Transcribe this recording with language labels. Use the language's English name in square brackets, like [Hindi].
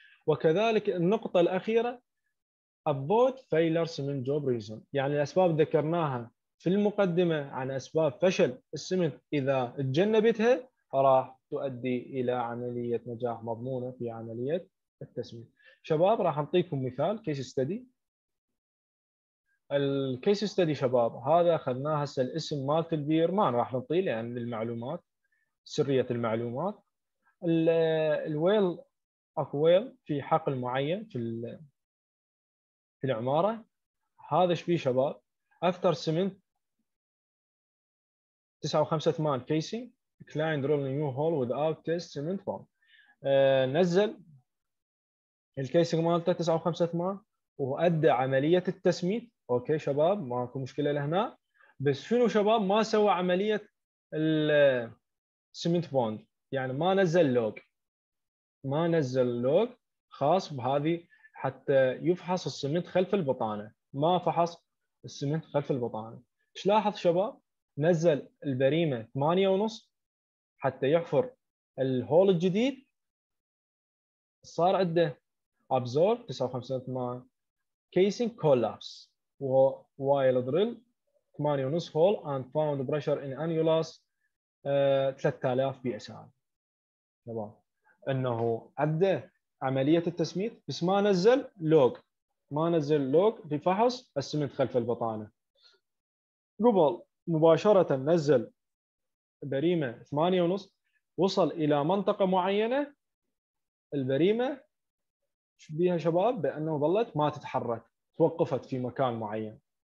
[Arabic] وكذلك النقطه الاخيره [English] avoid failures [Arabic] من job reason، يعني الأسباب ذكرناها في المقدمة عن أسباب فشل السمنت إذا تجنبتها راح تؤدي إلى عملية نجاح مضمونة في عملية التسميد. شباب راح أعطيكم مثال case study. الcase study شباب هذا أخذناه هسه الاسم مالت البير، ما راح نطيل لأن يعني المعلومات سرية المعلومات. الويل أكويل في حقل معين في العمارة، هذا شبيه شباب [English] after cement 9.58 casing client drill new hole without test cement form. [Arabic] نزل الكيسينج مالته 9.58 وأدى عملية التسميد، أوكي شباب ماكو مشكلة لهنا، بس شنو شباب ما سوى عملية السمنت بوند، يعني ما نزل لوج، ما نزل لوج خاص بهذه حتى يفحص السمنت خلف البطانة، ما فحص السمنت خلف البطانة. تلاحظ شباب نزل البريمة 8.5 حتى يحفر الهول الجديد، صار عنده [English] absorb 9.58 casing collapse while drill 8.5 hole and found pressure in annulus 3000 PSI. [Arabic] شباب أنه عنده عملية التسميد بس ما نزل لوج، ما نزل لوج في فحص السمنت خلف البطانة. قبل مباشرة نزل بريمة 8.5 وصل إلى منطقة معينة، البريمة شبيها شباب بأنه ظلت ما تتحرك، توقفت في مكان معين.